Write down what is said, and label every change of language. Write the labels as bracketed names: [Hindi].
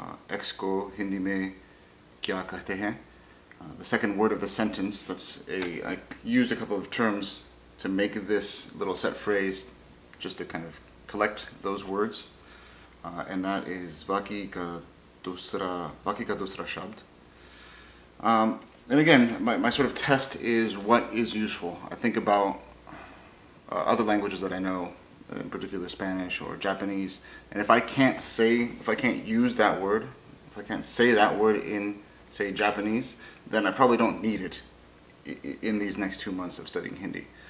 [Hindi] X को हिंदी में क्या कहते हैं? [English] The second word of the sentence, I used a couple of terms to make this little set phrase just to kind of collect those words. And that is [Hindi] बाकी का दूसरा शब्द. [English] And again, my sort of test is what is useful. I think about other languages that I know, in particular Spanish or Japanese, and if I can't say that word in, say, Japanese, then I probably don't need it in these next 2 months of studying Hindi.